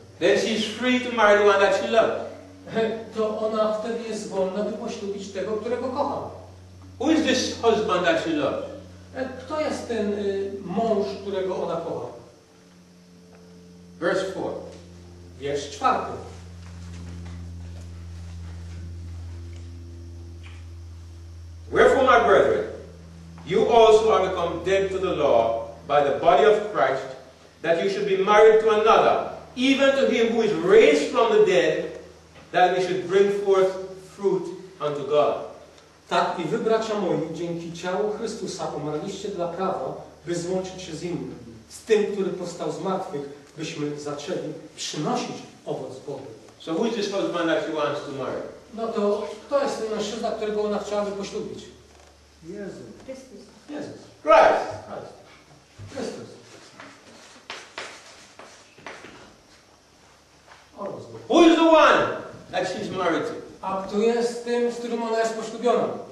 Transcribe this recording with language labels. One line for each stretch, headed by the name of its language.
English: Then she's free to marry the one that she loves.
Polish: To ona wtedy jest wolna, by poślubić tego, którego kocha.
English: Who is this husband that she loves?
Polish: Kto jest ten mąż, którego ona kocha?
English: Verse 4.
Polish: Wiersz 4.
English: Wherefore, my brethren, you also are become dead to the law by the body of Christ, that you should be married to another, even to him who is raised from the dead, that we should bring forth fruit unto God.
Polish: Tak i wy, bracia moi, dzięki ciału Chrystusa umarliście dla prawa, by złączyć się z innym, z tym, który powstał z martwych, byśmy zaczęli przynosić owoc Bogu.
English: So who is this husband that she wants to marry?
Polish: No to kto jest ten mężczyzna, którego ona chciałaby poślubić? Jezus. Chrystus. Jezus.
English: Christ. Chrystus. Who is the one that she's married to?
Polish: A kto jest tym, z którym ona jest poślubiona?